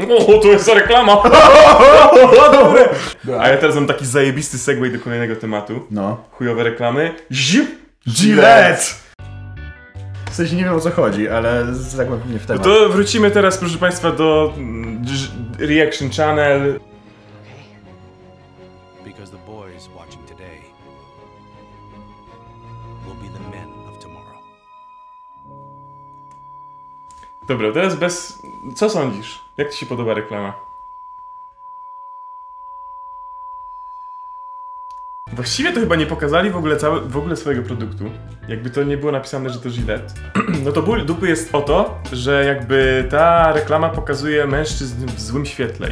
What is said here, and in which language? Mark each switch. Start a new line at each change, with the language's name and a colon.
Polish: O, to jest reklama! Dobre! A ja teraz mam taki zajebisty segway do kolejnego tematu. No. Chujowe reklamy. Zip! Gillette! W sensie nie wiem, o co chodzi, ale zagłębnie w temat. No to wrócimy teraz, proszę Państwa, do Reaction Channel.
English: Because the boys watching today will be the men of tomorrow.
Polish: Dobra, teraz bez... Co sądzisz? Jak ci się podoba reklama? Właściwie to chyba nie pokazali w ogóle, w ogóle swojego produktu. Jakby to nie było napisane, że to Gillette. No to ból dupy jest o to, że jakby ta reklama pokazuje mężczyzn w złym świetle.